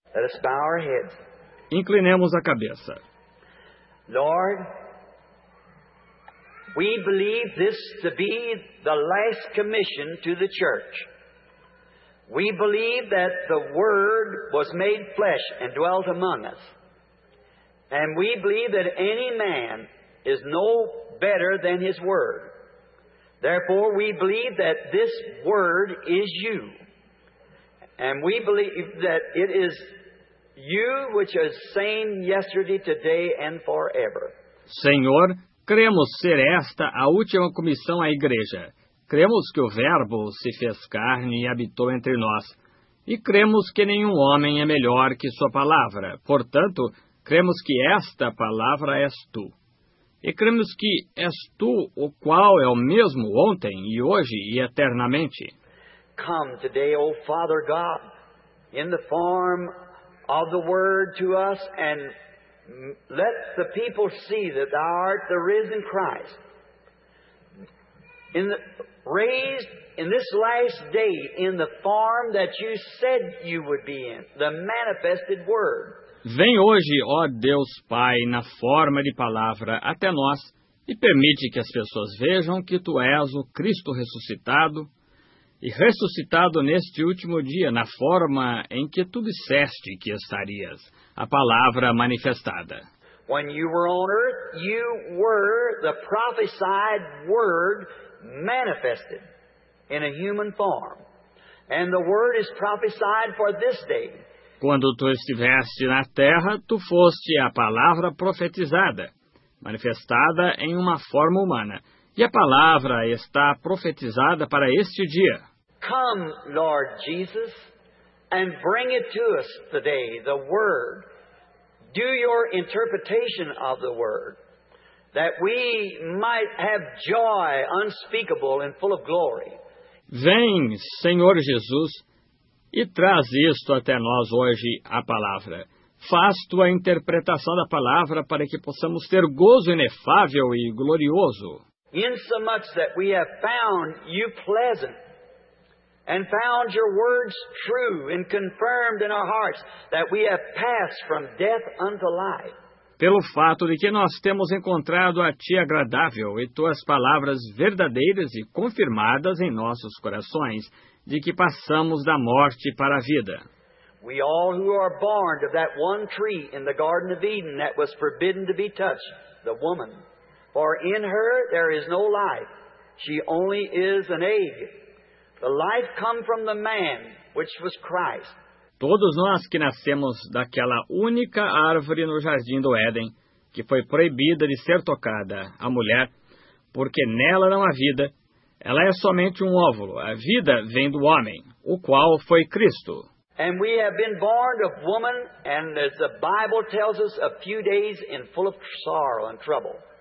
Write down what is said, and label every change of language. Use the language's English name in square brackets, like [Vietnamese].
[English] Let us bow our heads. [Portuguese] Inclinemos a cabeça. [English] Lord, we believe this to be the last commission to the church. We believe that the Word was made flesh and dwelt among us. And we believe that any man is no better than his Word. Therefore, we believe that this Word is you. And we believe that it is you which is same yesterday, today, and forever. [Portuguese] Senhor, cremos ser esta a última comissão à igreja. Cremos que o Verbo se fez carne e habitou entre nós. E cremos que nenhum homem é melhor que sua palavra. Portanto, cremos que esta palavra és tu. E cremos que és tu o qual é o mesmo ontem e hoje e eternamente. [English] Come today, O Father God, in the form of the Word to us, and let the people see that thou art the risen Christ. Raised in this last day in the form that you said you would be in, the manifested Word. [Portuguese] Vem hoje, ó Deus Pai, na forma de palavra até nós, e permite que as pessoas vejam que tu és o Cristo ressuscitado, e ressuscitado neste último dia, na forma em que tu disseste que estarias, a palavra manifestada. [English] When you were on earth, you were the prophesied Word manifested in a human form. And the Word is prophesied for this day. [Portuguese] Quando tu estiveste na terra, tu foste a palavra profetizada, manifestada em uma forma humana. E a palavra está profetizada para este dia. [English] Come, Lord Jesus, and bring it to us today, the Word. Do your interpretation of the Word, that we might have joy unspeakable and full of glory. [Portuguese] Vem, Senhor Jesus, e traz isto até nós hoje, a palavra. Faz tua interpretação da palavra para que possamos ter gozo inefável e glorioso. [English] Insomuch that we have found you pleasant, and found your words true and confirmed in our hearts, that we have passed from death unto life. [Portuguese] Pelo fato de que nós temos encontrado a ti agradável e tuas palavras verdadeiras e confirmadas em nossos corações, de que passamos da morte para a vida. [English] We all who are born of that one tree in the Garden of Eden that was forbidden to be touched, the woman. For in her there is no life, she only is an egg. The life come from the man, which was Christ. [Portuguese] Todos nós que nascemos daquela única árvore no jardim do Éden, que foi proibida de ser tocada, a mulher, porque nela não há vida, ela é somente um óvulo. A vida vem do homem, o qual foi Cristo. [English] And we have been born of woman, and as the Bible tells us, a few days in full of sorrow and trouble.